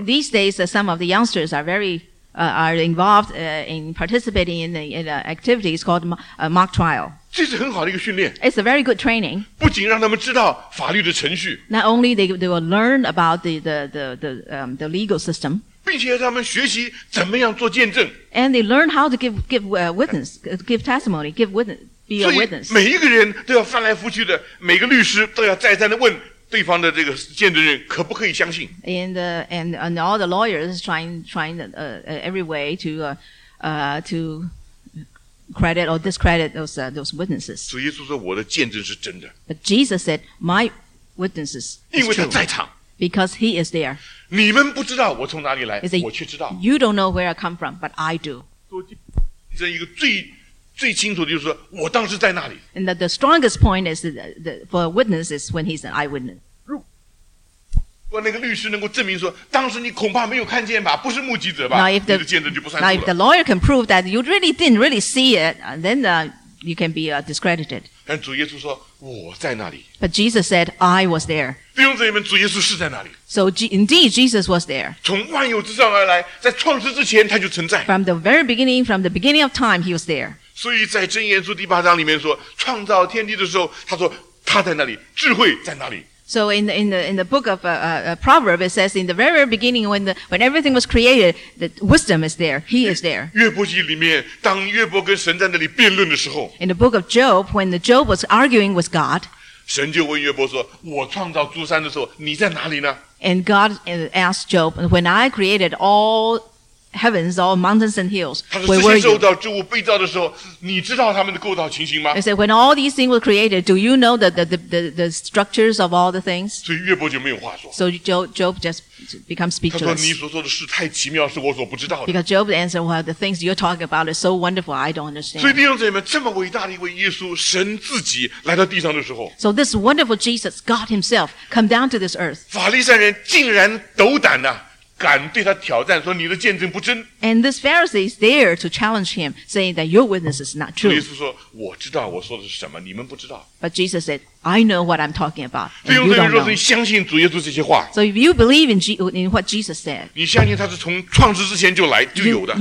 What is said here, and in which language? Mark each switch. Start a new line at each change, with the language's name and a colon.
English: These days, some of the youngsters are very involved in participating in activities called mock trial.
Chinese: 这是很好的一个训练。
English: It's a very good training.
Chinese: 不仅让他们知道法律的程序。
English: Not only they will learn about the legal system.
Chinese: 并且让他们学习怎么样做见证。
English: And they learn how to give testimony, be a witness.
Chinese: 所以每一个人都要翻来覆去的，每个律师都要再三的问对方的这个见证人可不可以相信。
English: And all the lawyers trying every way to credit or discredit those witnesses.
Chinese: 所以耶稣说我的见证是真的。
English: But Jesus said, my witness is true.
Chinese: 因为他在场。
English: Because he is there.
Chinese: 你们不知道我从哪里来，我却知道。
English: You don't know where I come from, but I do.
Chinese: 这一个最清楚的就是说我当时在那里。
English: And the strongest point is for a witness is when he's an eyewitness.
Chinese: 如果那个律师能够证明说当时你恐怕没有看见吧，不是目击者吧，你的见证就不算数了。
English: Now if the lawyer can prove that you really didn't really see it, then you can be discredited.
Chinese: 但主耶稣说我在那里。
English: But Jesus said, I was there.
Chinese: 弟兄姊妹们，主耶稣是在哪里？
English: So indeed, Jesus was there.
Chinese: 从万有之上而来，在创世之前他就存在。
English: From the very beginning, from the beginning of time, he was there.
Chinese: 所以在箴言书第八章里面说，创造天地的时候，他说他在那里，智慧在哪里？
English: So in the book of Proverbs, it says in the very beginning when everything was created, the wisdom is there. He is there.
Chinese: 约伯记里面，当约伯跟神在那里辩论的时候
English: ，In the book of Job, when the Job was arguing with God.
Chinese: 神就问约伯说：“我创造诸山的时候，你在哪里呢？”
English: And God asked Job, "When I created all heavens, all mountains and hills, where were you?"
Chinese: 他说：“这些受造之物被造的时候，你知道他们的构造情形吗？”
English: He said, "When all these things were created, do you know the structures of all the things?"
Chinese: 所以约伯就没有话说。
English: So Job just becomes speechless.
Chinese: 他说：“你所说的事太奇妙，是我所不知道的。”
English: Because Job answered, "Well, the things you're talking about is so wonderful, I don't understand."
Chinese: 所以弟兄姊妹们，这么伟大的一位耶稣，神自己来到地上的时候
English: ，So this wonderful Jesus, God Himself, come down to this earth.
Chinese: 法利赛人竟然斗胆呐！敢对他挑战说你的见证不真。
English: And this Pharisee is there to challenge him, saying that your witness is not true.
Chinese: 耶稣说我知道我说的是什么，你们不知道。
English: But Jesus said, I know what I'm talking about. And you don't know.
Chinese: 弟兄姊妹，相信主耶稣这些话。
English: So if you believe in what Jesus said,
Chinese: 你相信他是从创世之前就来就有的。